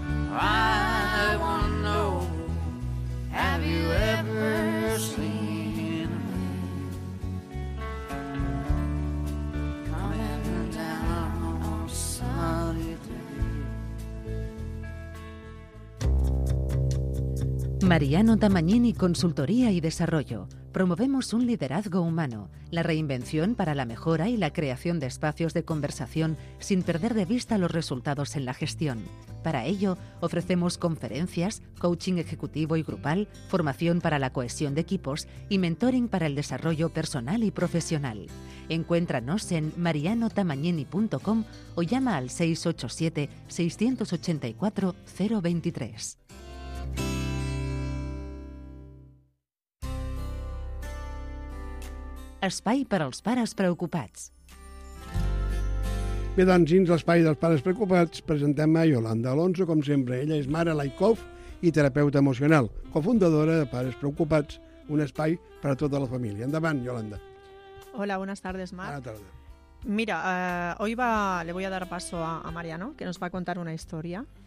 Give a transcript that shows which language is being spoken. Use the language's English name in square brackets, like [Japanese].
[English] I wanna know, have you ever seen the rain coming down on a sunny day? [Spanish] Mariano Damagnini, Consultoría y Desarrollo. Promovemos un liderazgo humano, la reinvención para la mejora y la creación de espacios de conversación sin perder de vista los resultados en la gestión. Para ello, ofrecemos conferencias, coaching ejecutivo y grupal, formación para la cohesión de equipos y mentoring para el desarrollo personal y profesional. Encuéntranos en marianotamagnini.com o llama al 687-684-023. [Catalan] Espai per als pares preocupats. Bé, doncs, dins l'espai dels pares preocupats presentem a Yolanda Alonso, com sempre. Ella és mare Laikov i terapeuta emocional, cofundadora de Pares Preocupats, un espai per a tota la família. Endavant, Yolanda. [Spanish] Hola, buenas tardes, Marc. [Catalan] Bona tarda. [Spanish] Mira, hoy le voy a dar paso a Mariano, que nos va a contar una historia.